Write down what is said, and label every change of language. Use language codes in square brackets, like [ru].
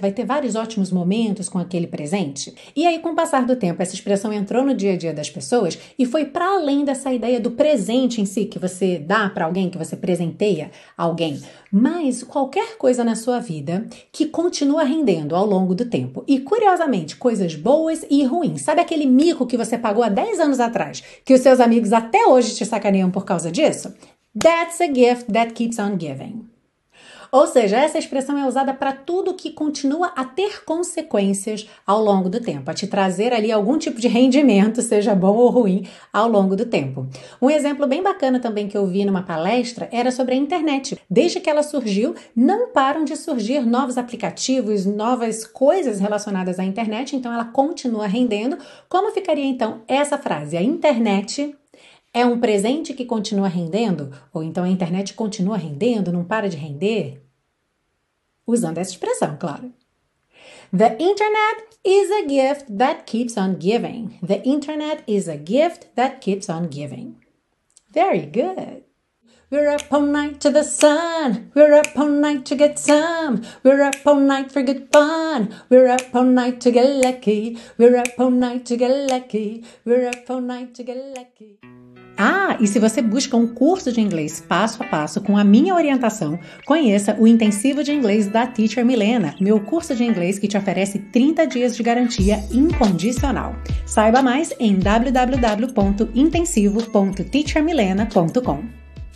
[pt] Vai ter vários ótimos momentos com aquele presente. E aí, com o passar do tempo, essa expressão entrou no dia a dia das pessoas e foi para além dessa ideia do presente em si, que você dá para alguém, que você presenteia alguém. Mas qualquer coisa na sua vida que continua rendendo ao longo do tempo. E curiosamente, coisas boas e ruins. Sabe aquele mico que você pagou há 10 anos atrás, que os seus amigos até hoje te sacaneiam por causa disso? [en] That's a gift that keeps on giving. [pt] Ou seja, essa expressão é usada para tudo que continua a ter consequências ao longo do tempo, a te trazer ali algum tipo de rendimento, seja bom ou ruim, ao longo do tempo. Um exemplo bem bacana também que eu vi numa palestra era sobre a internet. Desde que ela surgiu, não param de surgir novos aplicativos, novas coisas relacionadas à internet, então ela continua rendendo. Como ficaria então essa frase? A internet é um presente que continua rendendo? Ou então a internet continua rendendo, não para de render? Usando essa expressão, claro. [en] The internet is a gift that keeps on giving. The internet is a gift that keeps on giving. Very good. We're up all night to the sun. We're up all night to get some. We're up all night for good fun. We're up all night to get lucky. We're up all night to get lucky. We're up all night to get lucky. [pt] Ah, e se você busca um curso de inglês passo a passo com a minha orientação, conheça o Intensivo de Inglês da Teacher Milena, meu curso de inglês que te oferece 30 dias de garantia incondicional. Saiba mais em www.intensivo.teachermilena.com.